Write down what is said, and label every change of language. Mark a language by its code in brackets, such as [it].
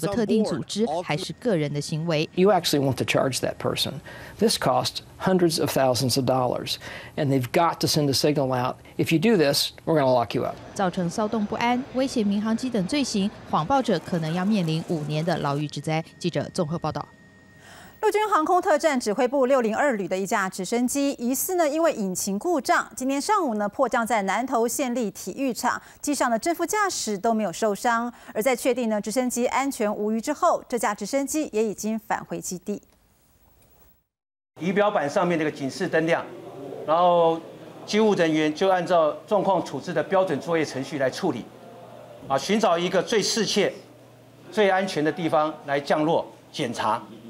[zh] 确认都是谎报之后，联邦调查局开始追踪这些报案电话，先厘清是本地人还是海外打来的，确认打电话的人是否属于某个特定组织还是个人的行为。 [en] You actually want to charge that person. This costs hundreds of thousands of dollars, and they've got to send a signal out. If you do this, we're going to lock you up. [zh] 造成骚动不安、威胁民航机等罪行，谎报者可能要面临5年的牢狱之灾。记者综合报道。陆军航空特战指挥部602旅的一架直升机，疑似呢因为引擎故障，今天上午呢迫降在南投县立体育场，机上的正副驾驶都没有受伤。而在确定呢直升机安全无虞之后，这架直升机也已经返回基地。仪表板上面这个警示灯亮，然后机务人员就按照状况处置的标准作业程序来处理，寻找一个最适切、最安全的地方来降落检查。